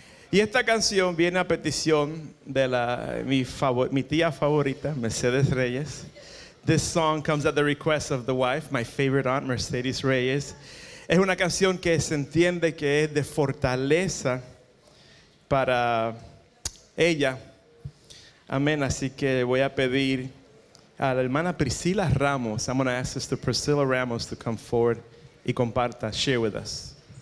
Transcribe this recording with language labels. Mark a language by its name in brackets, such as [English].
[Spanish] Y esta canción viene a petición de mi tía favorita, Mercedes Reyes. [English] This song comes at the request of the wife, my favorite aunt, Mercedes Reyes. [Spanish] Es una canción que se entiende que es de fortaleza para ella. Amén. Así que voy a pedir a la hermana Priscila Ramos. [English] I'm going to ask Sister Priscila Ramos to come forward [Spanish] y comparta, [English] share with us.